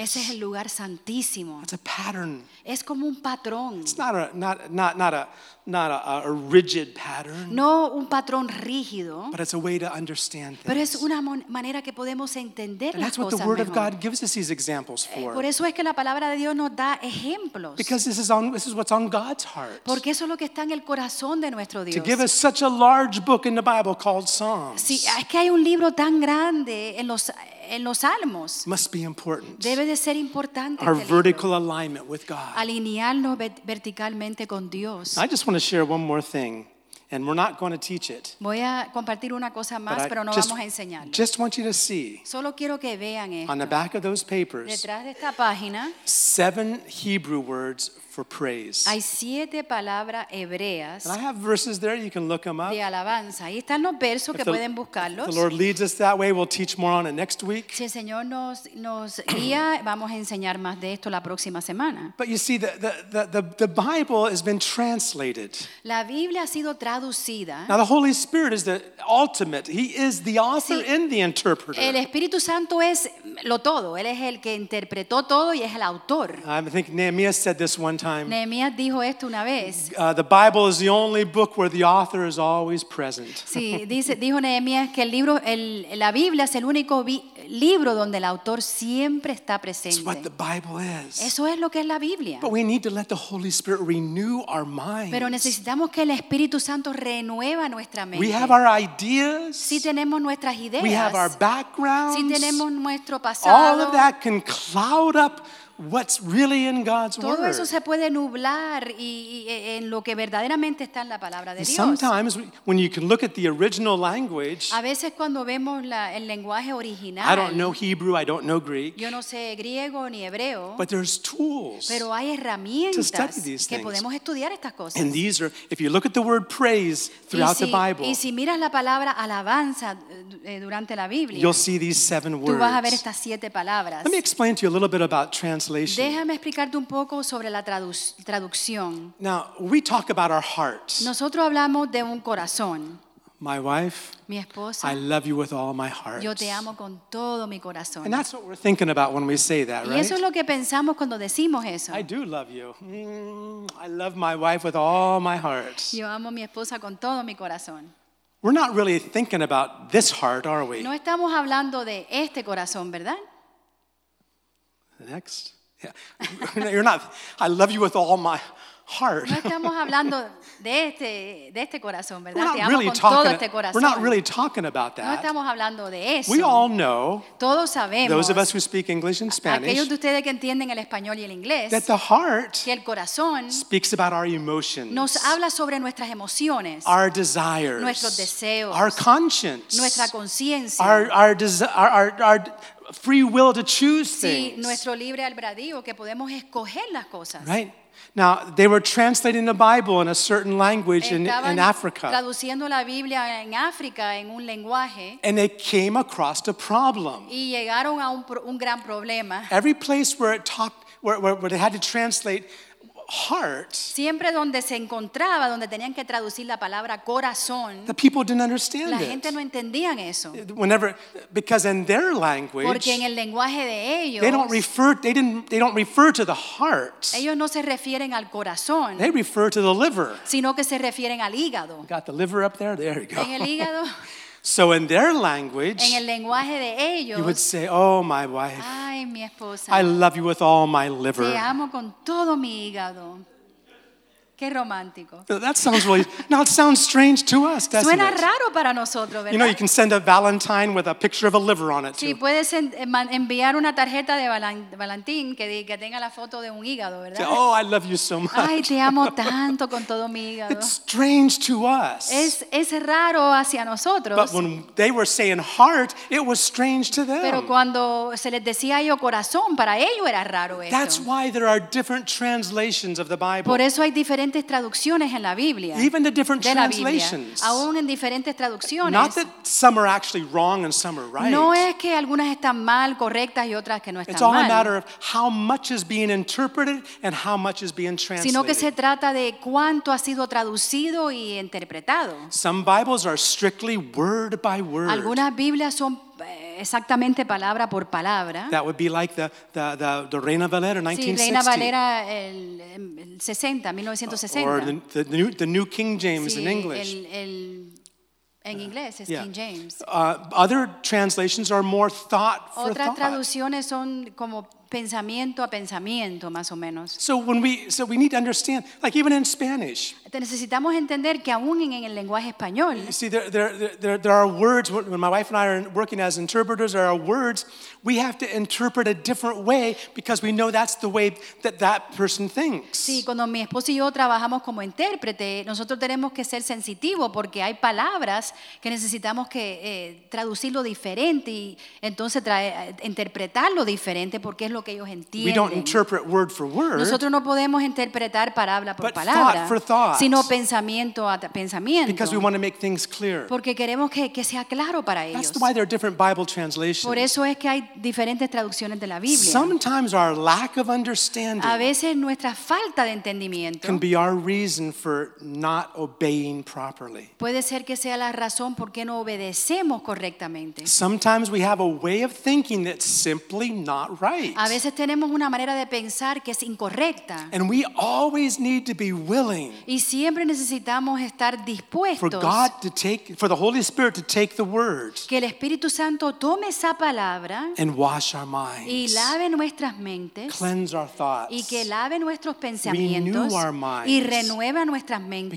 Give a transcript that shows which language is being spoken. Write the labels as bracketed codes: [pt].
[es] Ese es el lugar santísimo. [en] It's a pattern. [es] Es como un patrón. [en] It's not a rigid pattern. [es] No un patrón rígido. [en] But it's a way to understand things. [es] Pero es una manera que podemos entender las cosas. [en] That's what the Word of God gives us these examples for. [es] Por eso es que la palabra de Dios nos da ejemplos. [en] Because this is what's on God's heart. [es] Porque eso es lo que está en el corazón de nuestro Dios. [en] To give us such a large book in the Bible called Psalms. [es] Sí, es que hay un libro tan grande en los Salmos. [en] Must be important. [es] Debe de ser importante. [en] Our vertical alignment with God. [es] Alinearnos verticalmente con Dios. [en] I just want to share one more thing, and we're not going to teach it. [es] Voy a compartir una cosa más, pero no vamos a enseñarlo. [en] Just want you to see. [es] Solo quiero que vean esto. [en] On the back of those papers. [es] Detrás de esta página. [en] 7 Hebrew words for praise. [es] Hay 7 palabras hebreas. [en] And I have verses there. You can look them up. [es] De alabanza. Ahí están los versos que pueden buscarlos. [en] If the Lord leads us that way, we'll teach more on it next week. [es] Si el Señor nos guía, vamos a enseñar más de esto la próxima semana. [en] But you see, the Bible has been translated. [es] La Biblia ha sido traducida. [en] Now the Holy Spirit is the ultimate. He is the author and the interpreter. [es] El Espíritu Santo es lo todo. Él es el que interpretó todo y es el autor. [en] I think Nehemiah said this one. [es] Nehemías dijo esto una vez. [en] The Bible is the only book where the author is always present. [es] Sí, dijo Nehemías que la Biblia es el único libro donde el autor siempre está presente. [en] It's what the Bible is. [es] Eso es lo que es la Biblia. [en] But we need to let the Holy Spirit renew our minds. [es] Pero necesitamos que el Espíritu Santo renueva nuestra mente. [en] We have our ideas. [es] Sí, tenemos nuestras ideas. [en] We have our backgrounds. [es] Sí, tenemos nuestro pasado. [en] All of that can cloud up what's really in God's [es] Todo [en] word. [es] Eso se puede nublar en lo que verdaderamente está en la palabra de Dios. [en] Sometimes when you can look at the original language. [es] A veces cuando vemos el lenguaje original. [en] I don't know Hebrew, I don't know Greek. [es] Yo no sé griego ni hebreo. [en] But there's tools. [es] Pero hay herramientas [en] to study these [es] que podemos estudiar estas cosas. [en] And these are if you look at the word praise throughout the Bible. [es] Y si miras la palabra alabanza durante la Biblia. [en] You'll see these 7 words. [es] Tú vas a ver estas 7 palabras. [en] Let me explain to you a little bit about [es] Déjame explicarte un poco sobre la traducción. [en] Now, we talk about our hearts. [es] Nosotros hablamos de un corazón. [en] My wife, [es] mi esposa, [en] I love you with all my heart. [es] Yo te amo con todo mi corazón. [en] And that's what we're thinking about when we say that, right? [es] Y eso es lo que pensamos cuando decimos eso. [en] I do love you. I love my wife with all my heart. [es] Yo amo mi esposa con todo mi corazón. [en] We're not really thinking about this heart, are we? [es] No estamos hablando de este corazón, ¿verdad? [en] Next, yeah, you're not. I love you with all my heart. [es] No estamos hablando de este corazón, ¿verdad? [en] We're not [es] Te amo [en] really [es] con [en] talking. [es] Todo este corazón. [en] We're not really talking about that. [es] No estamos hablando de eso. [en] We all know. [es] Todos sabemos. [en] Those of us who speak English and Spanish. [es] Aquellos de ustedes que entienden el español y el inglés. [en] That the heart. [es] Que el corazón. [en] Speaks about our emotions. [es] Nos habla sobre nuestras emociones. [en] Our desires. [es] Nuestros deseos. [en] Our conscience. [es] Nuestra conciencia. [en] Our free will to choose things. [es] Sí, nuestro libre albedrío que podemos escoger las cosas. [en] Right. Now, they were translating the Bible in a certain language in Africa. [es] Traduciendo la Biblia en África en un lenguaje. [en] And they came across a problem. [es] Y llegaron a un gran problema. [en] Every place where it talked where they had to translate heart. [es] Siempre donde se encontraba, donde tenían que traducir la palabra corazón. [en] The people didn't understand it. [es] La gente no entendían eso. [en] Whenever, because in their language, [es] porque en el lenguaje de ellos, [en] they don't refer to the heart. [es] Ellos no se refieren al corazón. [en] They refer to the liver. [es] Sino que se refieren al hígado. [en] Got the liver up there. There you go. [es] En el hígado. [en] So in their language, [es] en el lenguaje de ellos, [en] you would say, "Oh, my wife, [es] ay, mi esposa, [en] I love you with all my liver." [es] Te amo con todo mi hígado. Qué romántico. [en] That sounds really now it sounds strange to us, doesn't [es] Suena [en] it? [es] Raro para nosotros, ¿verdad? [en] You know, you can send a Valentine with a picture of a liver on it. [es] Sí, puedes enviar una tarjeta de Valentín que tenga la foto de un hígado, ¿verdad? [en] Say, oh, I love you so much. [es] Ay, te amo tanto con todo mi hígado. [en] It's strange to us. [es] Es raro hacia nosotros. [en] But when they were saying heart, it was strange to them. [es] Pero cuando se les decía yo corazón, para ellos era raro esto. [en] That's why there are different translations of the Bible. [es] Por eso hay diferentes diferentes traducciones en la Biblia. [en] Even the different translations. [es] Aún en diferentes traducciones. [en] Not that some are actually wrong and some are right. [es] No es que algunas están mal, correctas y otras que no están mal. [en] It's all a matter of how much is being interpreted and how much is being translated. [es] Sino que se trata de cuánto ha sido traducido y interpretado. [en] Some Bibles are strictly word by word. [es] Algunas Biblias son exactamente palabra por palabra. [en] That would be like the Reina Valera 1960. [es] Sí, Reina Valera el 60, 1960. [en] Or the new King James, [es] sí, [en] in English. [es] En inglés es, yeah, King James. [en] Other translations are more thought for [es] otras [en] thought. [es] Traducciones son como pensamiento a pensamiento, más o menos. [en] So we need to understand, like even in Spanish. [es] Necesitamos entender que aún en el lenguaje español. [en] You see, there are words, when my wife and I are working as interpreters, there are words we have to interpret a different way because we know that's the way that person thinks. [es] Sí, cuando mi esposo y yo trabajamos como intérprete, nosotros tenemos que ser sensitivos porque hay palabras que necesitamos que traducirlo diferente y entonces interpretarlo diferente porque es lo que ellos entienden. [en] We don't interpret word for word. [es] Nosotros no podemos interpretar palabra por [en] but [es] palabra. [en] But thought for thought. [es] Sino pensamiento a pensamiento. [en] Because we want to make things clear. [es] Porque queremos que sea claro para ellos. [en] That's why there are different Bible translations. [es] Por eso es que hay diferentes traducciones de la Biblia. [en] Sometimes our lack of understanding. [es] A veces nuestra falta de entendimiento. [en] Can be our reason for not obeying properly. [es] Puede ser que sea la razón por qué no obedecemos correctamente. [en] Sometimes we have a way of thinking that's simply not right. [es] A veces tenemos una manera de pensar que es incorrecta. [en] And we always need to be willing. [es] Y siempre necesitamos estar dispuestos. [en] For God to take, for the Holy Spirit to take the word. [es] Que el Espíritu Santo tome esa palabra. [en] And wash our minds. [es] Y lave nuestras mentes. [en] Cleanse our thoughts. [es] Y que lave nuestros pensamientos. [en] Renew our minds. [es] Y renueva nuestras mentes.